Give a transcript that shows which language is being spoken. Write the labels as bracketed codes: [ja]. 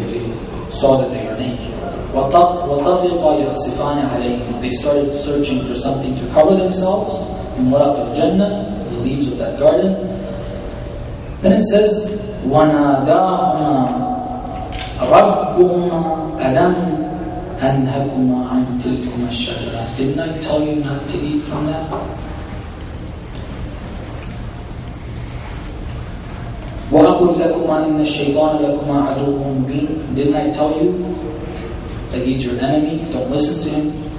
[en] They saw that they are naked. [ar] وَطَفِقَ يَخْسِفَانِ عَلَيْهِمَا. [en] They started searching for something to cover themselves. In [ar] وَرَقِ الْجَنَّةِ, [en] the leaves of that garden. Then it says, [ar] وَنَادَاهُمَا رَبُّهُمَا أَلَمْ أَنْهَكُمَا عَنْ تِلْكُمَا الشَّجَرَةَ. [en] Didn't I tell you not to eat from that? [ar] وَأَقُلْ لَكُمَا إِنَّ الشَّيْطَانَ لَكُمَا عَدُوٌّ مُبِينٌ. [en] Didn't I tell you that he's your enemy? Don't listen to him.